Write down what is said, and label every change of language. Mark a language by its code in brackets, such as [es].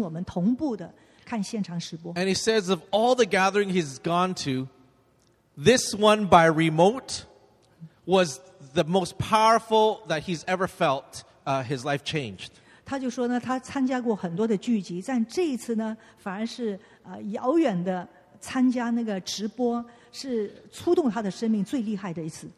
[zh] 所以呢，他就重新的规划他的时间，以致呢，他半夜的时候是起来跟我们同步的看现场直播。 [en] And he says of all the gatherings he's gone to, this one by remote was the most powerful that he's ever felt his life changed. [zh] 他就说呢，他参加过很多的聚集，但这一次呢，反而是遥远的参加那个直播。是触动他的生命最厉害的一次。